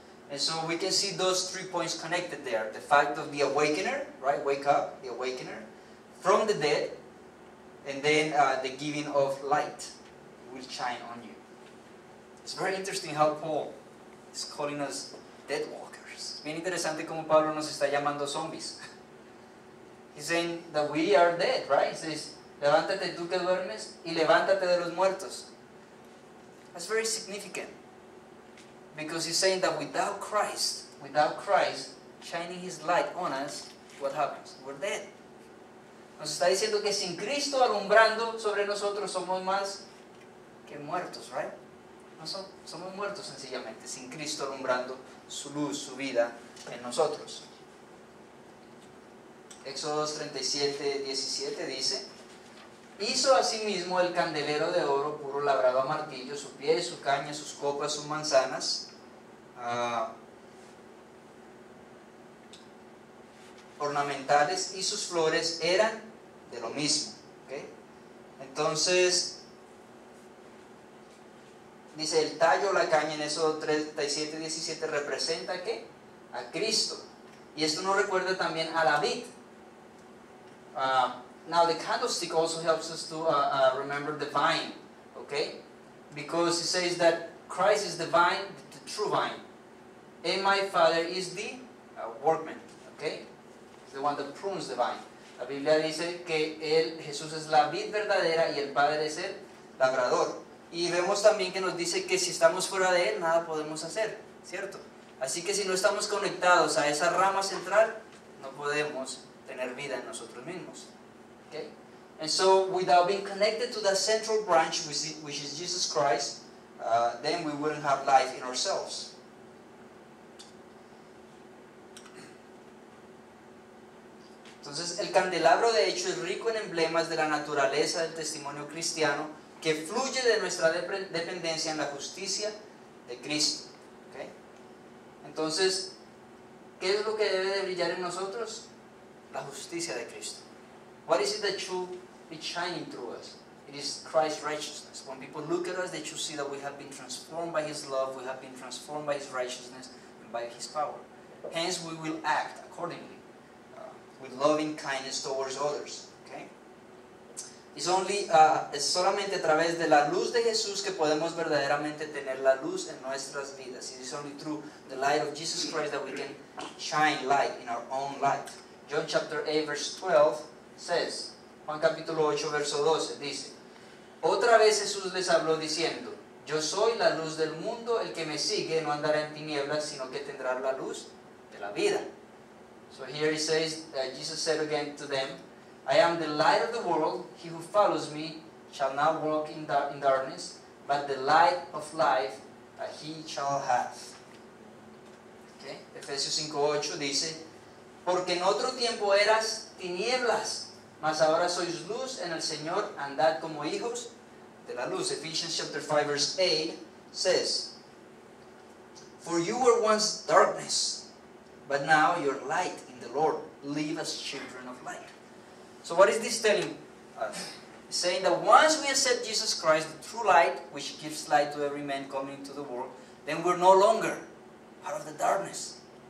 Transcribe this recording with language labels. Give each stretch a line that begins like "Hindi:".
English: And so we can see those three points connected there. The fact of the awakener, right? Wake up, the awakener, from the dead, and then the giving of light will shine on you. It's very interesting how Paul is calling us dead walkers.
Spanish: Es bien interesante como Pablo nos está llamando zombies.
English: He's saying that we are dead, right? He says,
Spanish: levántate tú que duermes y levántate de los muertos.
English: That's very significant. Because he's saying that without Christ shining his light on us, what happens? We're dead.
Spanish: Nos está diciendo que sin Cristo alumbrando sobre nosotros somos más que muertos, right? No somos muertos sencillamente, sin Cristo alumbrando su luz, su vida en nosotros. Éxodos 37:17 dice, hizo asimismo el candelero de oro puro labrado a martillo, su pie, su caña, sus copas, sus manzanas. Ornamentales y sus flores eran de lo mismo. ¿Okay? Entonces, dice el tallo, la caña en Éxodo 37:17 representa ¿qué? A Cristo. Y esto nos recuerda también a la vid.
English: Now the candlestick also helps us to remember the vine, okay? Because it says that Christ is the vine, the true vine, and my Father is the workman, okay? He's the one that prunes the vine.
Spanish: La Biblia dice que él, Jesús es la vid verdadera y el Padre es el labrador. Y vemos también que nos dice que si estamos fuera de él, nada podemos hacer, ¿cierto? Así que si no estamos conectados a esa rama central, no podemos tener vida en nosotros mismos.
English: Okay? And so, without being connected to that central branch, which is Jesus Christ, then we wouldn't have life in ourselves.
Spanish: Entonces, el candelabro de hecho es rico en emblemas de la naturaleza del testimonio cristiano que fluye de nuestra dependencia en la justicia de Cristo. Okay? Entonces, ¿qué es lo que debe de brillar en nosotros? La justicia de Cristo.
English: What is it that should be shining through us? It is Christ's righteousness. When people look at us, they should see that we have been transformed by His love, we have been transformed by His righteousness, and by His power. Hence, we will act accordingly, with loving kindness towards others. Okay? It's only,
Spanish: es solamente a través de la luz de Jesús que podemos verdaderamente tener la luz en nuestras vidas.
English: It is only through the light of Jesus Christ that we can shine light in our own light. John chapter 8, verse 12.
Spanish: Says, Juan capítulo 8, verso 12, dice, otra vez Jesús les habló diciendo, yo soy la luz del mundo, el que me sigue no andará en tinieblas, sino que tendrá la luz de la vida.
English: So here he says, Jesus said again to them, I am the light of the world, he who follows me shall not walk in darkness, but the light of life that he shall have. Okay?
Spanish: Efesios 5, 8 dice, porque en otro tiempo eras tinieblas, mas ahora sois luz en el Señor, andad como hijos de la luz.
English: Ephesians chapter 5 verse 8 says, for you were once darkness, but now you're light in the Lord. Live as children of light. So what is this telling us? It's saying that once we accept Jesus Christ, the true light, which gives light to every man coming into the world, then we're no longer part of the darkness.